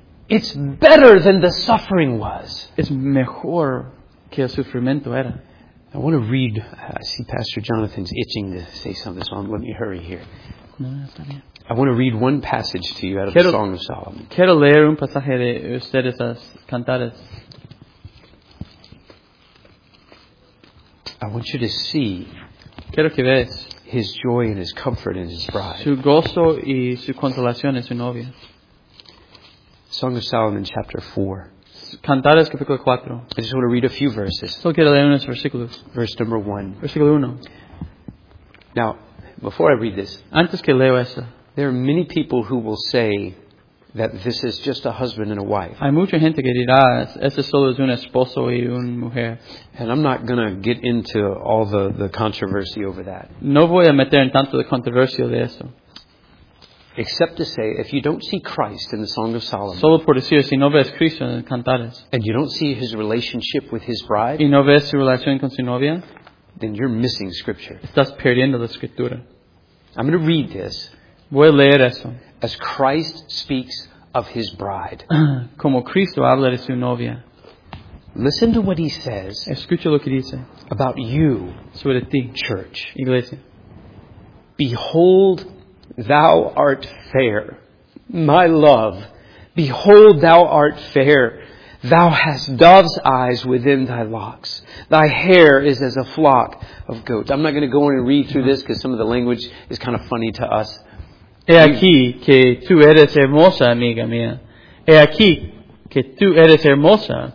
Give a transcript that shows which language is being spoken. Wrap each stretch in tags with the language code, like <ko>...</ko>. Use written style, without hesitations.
<en>it's better than the suffering was.</en> <es>Es mejor que el sufrimiento era.</es> <en>I want to read, I see Pastor Jonathan's itching to say something, so let me hurry here.</en> <es>No, está bien.</es> <en>I want to read one passage to you out of the Song of Solomon.</en> <es>Quiero leer un pasaje de ustedes las cantares.</es> <en>I want you to see</en> <es>quiero que ves</es> <en>His joy and His comfort in His bride.</en> <es>Su gozo y su consolación en su novia.</es> <en>Song of Solomon, chapter 4.</en> <es>Cantares, capítulo 4.</es> <en>I just want to read a few verses.</en> <es>Solo quiero leer unos versículos.</es> <en>Verse number 1.</en> <es>Versículo 1.</es> <en>Now, before I read this,</en> <es>antes que leo eso,</es> <en>there are many people who will say that this is just a husband and a wife.</en> <es>Hay mucha gente que dirá, este solo es un esposo y una mujer.</es> <en>And I'm not going to get into all the controversy over that.</en> <es>No voy a meter en tanto de controversia de eso.</es> <en>Except to say, if you don't see Christ in the Song of Solomon,</en> <es>solo por decir, si no ves Cristo en el Cantares,</es> <en>and you don't see His relationship with His bride,</en> <es>y no ves su relación con su novia,</es> <en>then you're missing Scripture.</en> <es>Estás perdiendo la Escritura.</es> <en>I'm going to read this.</en> <es>Voy a leer eso.</es> <en>As Christ speaks of His bride.</en> <es>Como Cristo habla de su novia.</es> <en>Listen to what He says.</en> <es>Escucha lo que dice.</es> <en>About you.</en> <es>Sobre ti.</es> <en>Church.</en> <es>Iglesia.</es> <en>Behold, thou art fair. My love. Behold, thou art fair. Thou hast dove's eyes within thy locks. Thy hair is as a flock of goats. I'm not going to go in and read through this because some of the language is kind of funny to us.</en> <es>He aquí que tú eres hermosa, amiga mía. He aquí que tú eres hermosa.</es>